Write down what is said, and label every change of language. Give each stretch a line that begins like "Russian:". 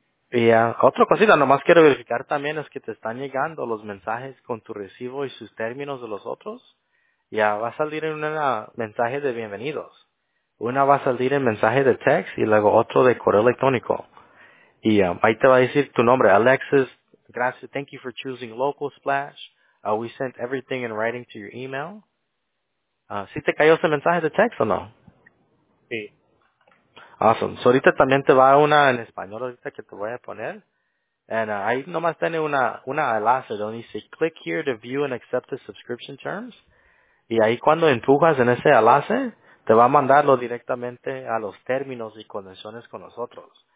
Spanish: Y otra cosita, nomás quiero verificar también es que te están llegando los mensajes con tu recibo y sus términos de los otros. Ya va a salir en un mensaje de bienvenidos. Una va a salir en mensaje de text y luego otro de correo electrónico. Y ahí te va a decir tu nombre, Alexis. Gracias,
English: thank you for choosing Local Splash. We sent everything in writing to your email.
Spanish: ¿Sí te cayó ese mensaje de text o no? Sí.
English: Awesome.
Spanish: So ahorita también te va una en español ahorita que te voy a poner.
English: And
Spanish: ahí nomás tiene una enlace donde dice,
English: click here to view and accept the subscription terms.
Spanish: Y ahí cuando empujas en ese enlace, te va a mandarlo directamente a los términos y condiciones con nosotros.